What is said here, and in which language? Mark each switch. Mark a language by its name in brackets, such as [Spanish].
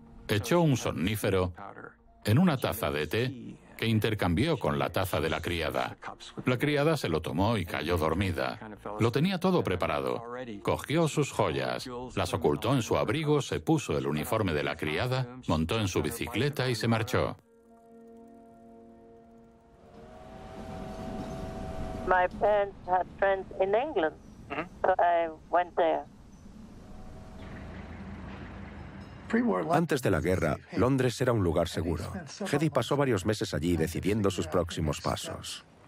[Spanish] Echó un somnífero en una taza de té que intercambió con la taza de la criada. La criada se lo tomó y cayó dormida. Lo tenía todo preparado. Cogió sus joyas, las ocultó en su abrigo, se puso el uniforme de la criada, montó en su bicicleta y se marchó. [English] My parents had friends in England, so I went there. [Spanish] Antes de la guerra, Londres era un lugar seguro. Hedy pasó varios meses allí decidiendo sus próximos pasos.